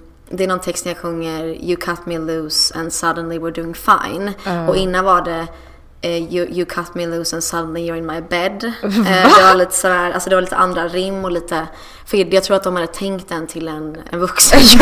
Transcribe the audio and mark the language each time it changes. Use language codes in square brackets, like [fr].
[sv] det är någon text när jag sjunger [en] You cut me loose and suddenly we're doing fine. [sv] Och innan var det [en] you cut me loose and suddenly you're in my bed. [sv] Det var lite så här, alltså det var lite andra rim och lite, för jag tror att de hade tänkt den till en vuxen.